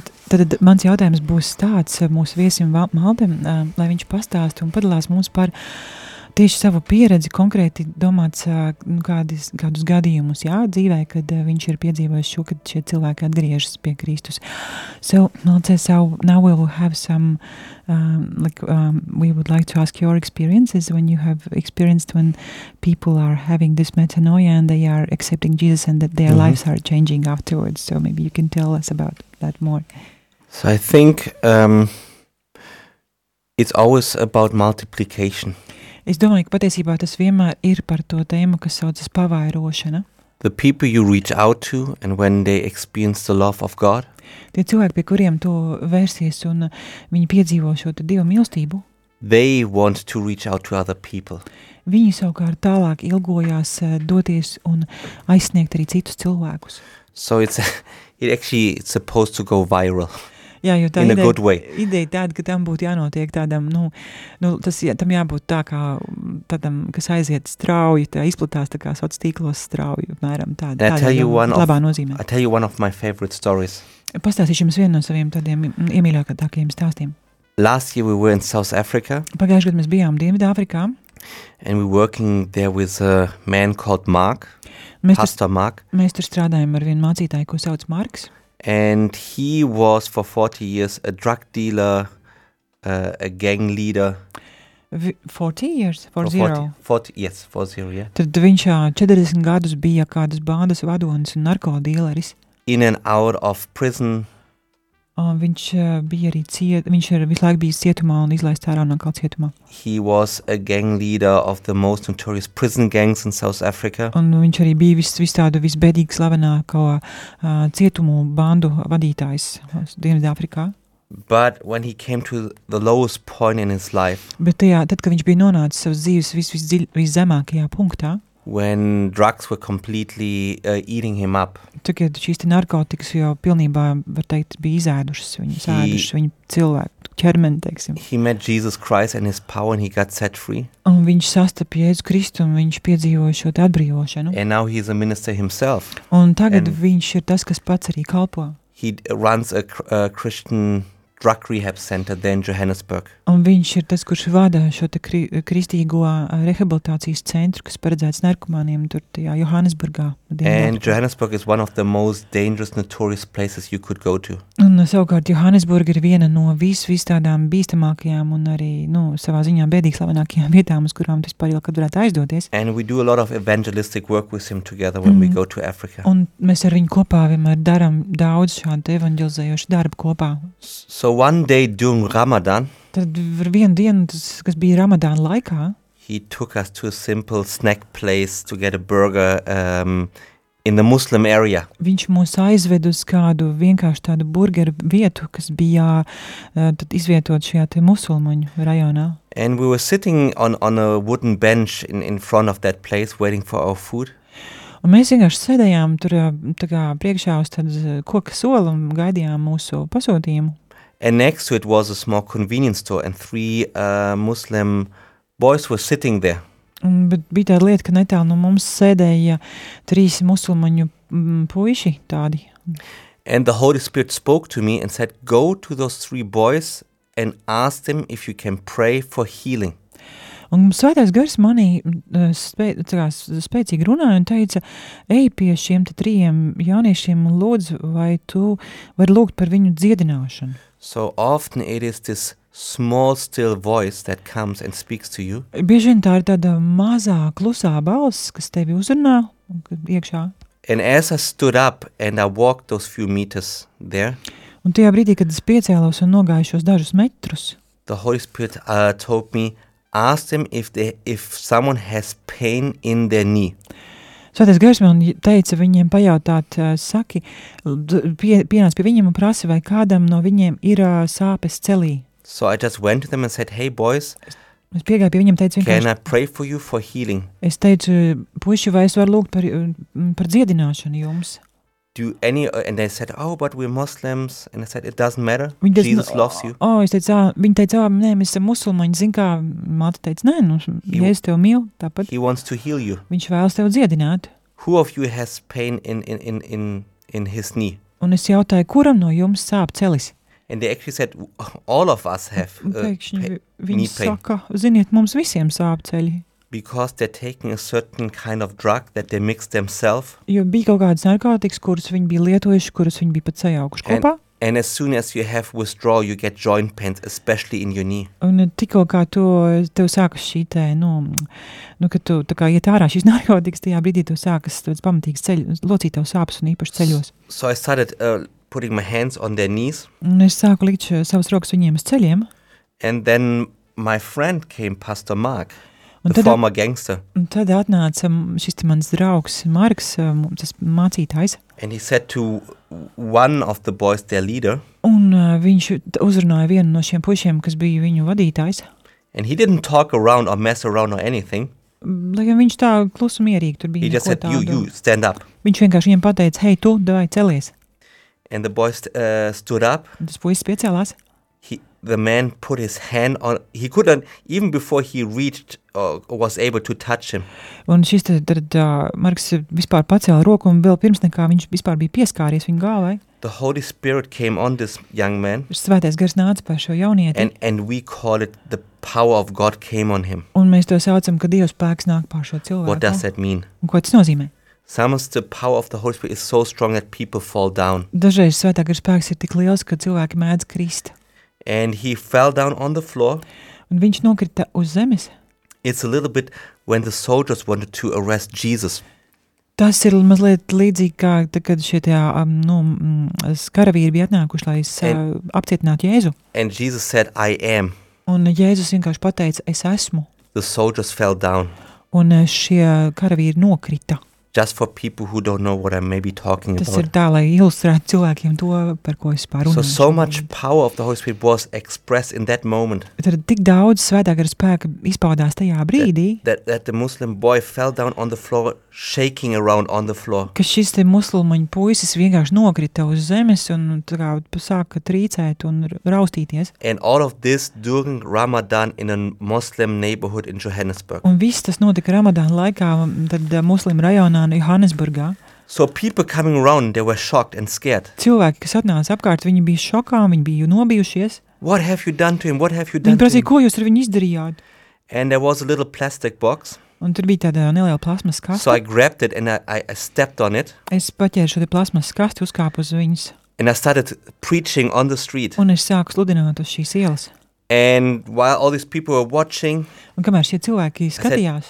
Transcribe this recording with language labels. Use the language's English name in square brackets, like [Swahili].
[Latvian] Tad mans jautājums būs tāds mūsu viesim Maldem, lai viņš pastāstu un padalās mums par tieši savu pieredzi, konkrēti domāts kādus gadījumus dzīvē, kad viņš ir piedzīvojis šo, kad šie cilvēki atgriežas pie Kristus. [English] Now we will have some we would like to ask your experiences when you have experienced when people are having this metanoia and they are accepting Jesus and that their lives are changing afterwards. So maybe you can tell us about that more. So I think it's always about multiplication. [Latvian] Es domāju, ka patiesībā tas vienmēr ir par to tēmu, kas saucas pavairošana. [English] The people you reach out to and when they experience the love of God. [Latvian] Tie cilvēki, pie kuriem tu vērsies un viņi piedzīvo šo Dieva mīlestību. [English] They want to reach out to other people. [Latvian] Viņi savukārt tālāk ilgojās doties un aizsniegt arī citus cilvēkus. [English] So it's supposed to go viral. [Latvian] Jā, jo tā [English] in [Latvian] ideja, [English] a good way. [Latvian] Ideja tāda, ka tam būtu jānotiek tādam, tam jābūt tā kā tādam, kas aiziet strauji, tā izplatās tā kā soc tīklos strauji, mēram tāda. [English] I tell you one of my favorite stories. [Latvian] Pastāstīšu jums vienu no saviem tādiem iemīļākajiem stāstiem. [English] Last year we were in South Africa. [Latvian] Pagājušajā gadā mēs bijām Dienvidāfrikā. [English] And we working there with a man called Mark. [Latvian] Mēs tur strādājam ar vienu mācītāju, ko sauc Marks. [English] And he was for 40 years a drug dealer, a gang leader. 40 years, 40. [Latvian] Tad viņš 40 gadus bija kādas bandas vadonis un narko dīleris. [English] In and out of prison. [Latvian] Viņš bija arī viņš ir visu laiku bijis cietumā un izlaists ārā no kāds cietumā. [English] He was a gang leader of the most notorious prison gangs in South Africa. [Latvian] Un viņš arī bija visvistādu visbēdīgs slavenākā cietumu bandu vadītājs Dienvidāfrikā. [English] But when he came to the lowest point in his life. [Latvian] Bet tad, kad viņš bija nonācis savas dzīves viszemākajā punktā. [English] When drugs were completely eating him up. [Latvian] Tagad šīs te narkotikas jau pilnībā, var teikt, bija izēdušas viņu, sēdušas viņu cilvēku ķermeni, teiksim. [English] He met Jesus Christ and his power and he got set free. [Latvian] Un viņš sastapa Jēzu Kristu un viņš piedzīvoja šo atbrīvošanu. [English] And now he is a minister himself. [Latvian] Un tagad viņš ir tas, kas pats arī kalpo. [English] He runs a Christian drug rehab center there in Johannesburg. [Latvian] Un viņš ir tas, kurš vada šo te kristīgo rehabilitācijas centru, kas paredzēts narkomāniem tur tajā Johannesburgā. [English] And Johannesburg is one of the most dangerous, notorious places you could go to. [Latvian] Un savukārt Johannesburg ir viena no vis tādām bīstamākajām un arī, nu, savā ziņā bēdīgi slavenākajām vietām, uz kurām tas pārīl, kad varētu aizdoties. [English] And we do a lot of evangelistic work with him together when we go to Africa. [Latvian] Un mēs ar viņu kopā vienmēr daram daudz šādu evangelizējošu darbu kopā. [English] So one day during Ramadan, [Latvian] tad vienu dienu, kas bija Ramadāna laikā, [English] he took us to a simple snack place to get a burger in the Muslim area. [Latvian] Viņš mūs aizved uz kādu vienkārši tādu burgeru vietu, kas bija tad izvietot šajā te musulmaņu rajonā. [English] And we were sitting on a wooden bench in front of that place waiting for our food. [Latvian] Un mēs vienkārši sēdējām tur tā kā priekšā uz tādu koka soli un gaidījām mūsu pasūtījumu. [English] And next to it was a small convenience store and three Muslim boys were sitting there. [Latvian] Bet bija tāda lieta, ka netālu no mums sēdēja trīs musulmaņu puiši tādi. [English] And the Holy Spirit spoke to me and said, go to those three boys and ask them if you can pray for healing. [Latvian] Un svētais gars manī spēcīgi runāja un teica, ej pie šiem te trijiem jauniešiem un lūdz, vai tu vari lūgt par viņu dziedināšanu. [English] So often it is this small still voice that comes and speaks to you. [Latvian] Bieži vien tā ir tāda mazā klusā balss, kas tevi uzrunā iekšā. [English] And as I stood up and I walked those few meters there. [Latvian] Un tajā brīdī, kad es piecēlos un nogāju šos dažus metrus. [English] The Holy Spirit told me, ask them if someone has pain in their knee. [Latvian] Svētais gars man teica viņiem pajautāt, saki, pienāc pie viņiem un prasi, vai kādam no viņiem ir sāpes celī. [English] So I just went to them and said, hey boys, [Latvian] es piegāju pie viņiem, teicu, [English] can I pray for you for healing? [Latvian] Es teicu, puiši, vai es varu lūgt par dziedināšanu jums? [English] Do any, and they said, oh, but we're Muslims, and I said, it doesn't matter, Jesus loves you. [Latvian] Oh, es teicu, viņi teica, oh, nē, mēs esam musulmaņi, zin kā, māte teica, nē, nu, Jēzus tev mīl, tāpat. [English] He wants to heal you. [Latvian] Viņš vēlas tev dziedināt. [English] Who of you has pain in his knee? [Latvian] Un es jautāju, kuram no jums sāp celis? [English] And they actually said, all of us have [Latvian] viņi [English] knee pain. [Latvian] Saka, ziniet, mums visiem sāp ceļi. [English] Because they're taking a certain kind of drug that they mix themselves. [Latvian] Jo bija kaut kādas narkotikas, kuras viņi bija lietojuši, kuras viņi bija pat sajaukuši kopā. [English] And as soon as you have withdrawal, you get joint pains, especially in your knee. [Latvian] Un tikko kā tu, tev sākas šī te, nu, kad tu tā kā iet ārā šīs narkotikas, tajā brīdī tev sākas tāds pamatīgs ceļ, locīt tev sāpes un īpaši ceļos. [English] So I started putting my hands on their knees. [Latvian] Un es sāku likt savas rokas viņiem uz ceļiem. [English] And then my friend came, Pastor Mark. The former gangster. [Latvian] Un tad atnāca šis te mans draugs Marks, tas mācītājs. [English] And he said to one of the boys, their leader. [Latvian] Un viņš uzrunāja vienu no šiem pušiem, kas bija viņu vadītājs. [English] And he didn't talk around or mess around or anything. [Latvian] Lai gan viņš tā klusu mierīgi, tur bija neko tādu. [English] He just said, you stand up. [Latvian] Viņš vienkārši viņam pateica, hei, tu, davai, celies. [English] And the boys stood up. [Latvian] Un tas puisis piecēlās. [English] The man put his hand on, he couldn't, even before he reached or was able to touch him. [Latvian] Un šis tad Marks vispār pacēla roku un vēl pirms nekā viņš vispār bija pieskāries viņa galvai. [English] The Holy Spirit came on this young man. [Latvian] Svētais gars nāca par šo jaunieti. [English] And we call it the power of God came on him. [Latvian] Un mēs to saucam, ka Dieva spēks nāk par šo cilvēku. [English] What does that mean? [Latvian] Un ko tas nozīmē? [English] Sometimes the power of the Holy Spirit is so strong that people fall down. [Latvian] Dažreiz svētā gara spēks ir tik liels, ka cilvēki mēdz krist. [English] And he fell down on the floor. [Latvian] Un viņš nokrita uz zemes. [English] It's a little bit when the soldiers wanted to arrest Jesus. [Latvian] Tas ir mazliet līdzīgi, kā, kad šie tie, nu, karavīri bija atnākuši, lai apcietinātu Jēzu. [English] And Jesus said, I am. [Latvian] Un Jēzus vienkārši pateica, es esmu. [English] The soldiers fell down. [Latvian] Un šie karavīri nokrita. [English] Just for people who don't know what I may be talking [Latvian] tas [English] about. [Latvian] Tas ir tā, lai ilustrētu cilvēkiem to, par ko es pārunāju. [English] So much power of the Holy Spirit was expressed in that moment. [Latvian] Tad tik daudz svētā gara spēka izpaudās tajā brīdī. [English] That the Muslim boy fell down on the floor, shaking around on the floor. [Latvian] Ka šis te musulmaņu puisis vienkārši nokrita uz zemes un tā kā sāka trīcēt un raustīties. [English] And all of this during Ramadan in a Muslim neighborhood in Johannesburg. [Latvian] Un viss tas notika Ramadan laikā, tad muslim rajonā Johannesburgā. [English] So people coming around, they were shocked and scared. [Latvian] Cilvēki, kas atnāca apkārt, viņi bija šokā, viņi bija nobijušies. [English] What have you done to him? What have you done to him? [Latvian] Ko jūs ar viņu izdarījāt? [English] And there was a little plastic box. [Latvian] Un tur bija tāda neliela plasmas kasta. [English] So I grabbed it and I stepped on it. [Latvian] Es paķēru šo te plasmas kastu, uzkāpu uz viņas. [English] And I started preaching on the street. [Latvian] Un es sāku sludināt uz šīs ielas. [English] And while all these people were watching, [Latvian] un kamēr šie cilvēki skatījās,